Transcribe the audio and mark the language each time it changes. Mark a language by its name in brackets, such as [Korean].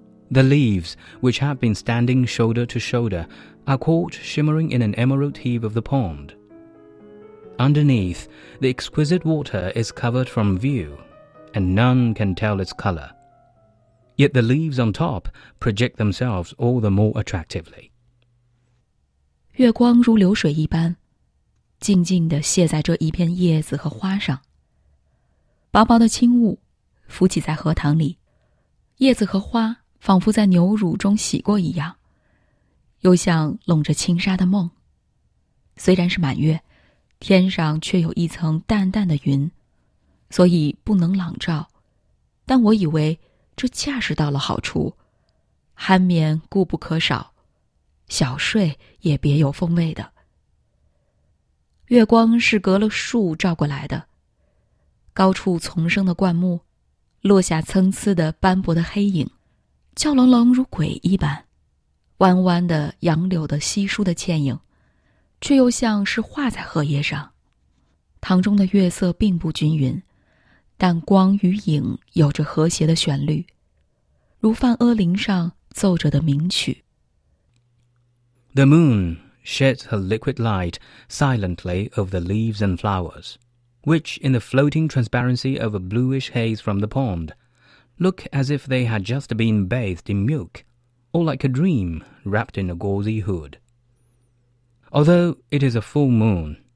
[English] The leaves, which have been standing shoulder to shoulder, are caught shimmering in an emerald heave of the pond. Underneath, the exquisite water is covered from view, and none can tell its color. Yet the leaves on top project themselves all the more attractively. [Chinese] 月光如流水一般，静静地泻在这一片叶子和花上。薄薄的轻雾浮起在荷塘里，叶子和花仿佛在牛乳中洗过一样，又像笼着轻纱的梦。虽然是满月，天上却有一层淡淡的云，所以不能朗照，但我以为这恰是到了好处，酣眠固不可少，小睡也别有风味的。月光是隔了树照过来的，高处丛生的灌木落下参差的斑驳的黑影，俏冷冷如鬼一般，弯弯的杨柳的稀疏的倩影，却又像是画在荷叶上。塘中的月色并不均匀，但光与影有着和谐的旋律，如梵阿林上奏着的名曲。 [English] The moon sheds her liquid light silently over the leaves and flowers. Which, in the floating transparency of a bluish haze from the pond, look as if they had just been bathed in milk, or like a dream wrapped in a gauzy hood. Although it is a full moon,